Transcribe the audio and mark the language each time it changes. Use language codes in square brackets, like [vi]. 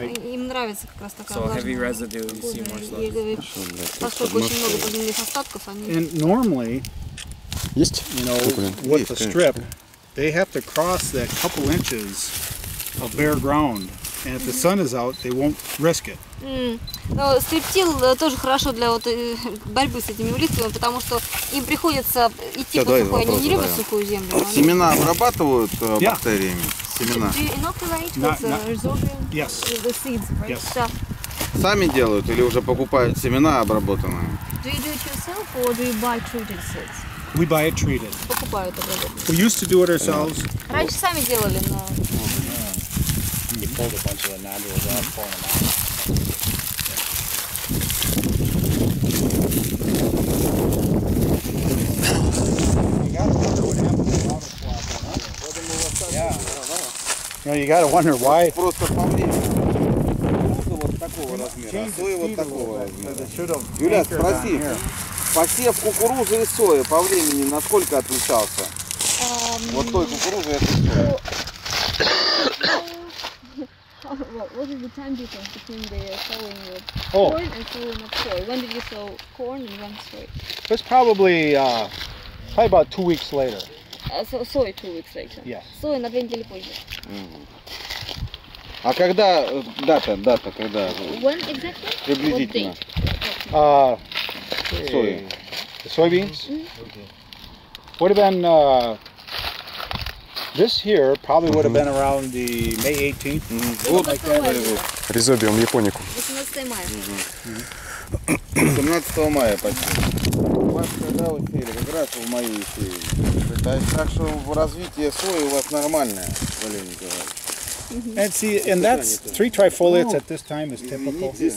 [ru] Им нравится как раз такая влажность. [en] So heavy residue, you see more slugs. [ru] Поскольку очень много подземных остатков, они... [en] And normally, [ru] есть? [en] You know, with the strip, they have to cross that couple inches of bare ground. And if the sun is out, they won't risk it. [ru] Ну, стриптил тоже хорошо для вот борьбы с этими улитками, потому что им приходится идти по сухой, они не любят сухую землю. Семена обрабатывают бактериями? Семена. [en] Do you inoculate the seeds, right? Yes. [ru] Сами делают или уже покупают семена обработанные? [en] Do you do it yourself or do you buy treated seeds? We buy it treated. [ru] Покупают обработанные. [en] We used to do it ourselves. [ru] Раньше сами делали, но... [en] You pulled a bunch of the nodules out, pulling them out. Ну, you gotta wonder why. [ru] Просто по мне. Вот такого размера. Соя вот такого размера. Юля, спроси. Посев кукурузы и сои по времени насколько отличался? Вот той кукурузы и этой сои. [en] What is the time difference between the sowing of corn and sowing of soy? When did you sow corn and when soy? It's probably about 2 weeks later. [ru] Сои [en] 2 weeks later. Yes. [ru] Сои на 2 недели позже. А когда дата, когда? [en] When exactly? [ru] Приблизительно. Сои. [en] The soybeans? Mm-hmm. Would have been this here probably would have been around the May 18th. [ru] Ризобиум японику. 18 мая почти. У вас когда усеяли? Как раз в мае усеяли. Так что развитие сои у вас нормальное, блин, говорю. [en] And see, and that's three trifoliates at this time is typical.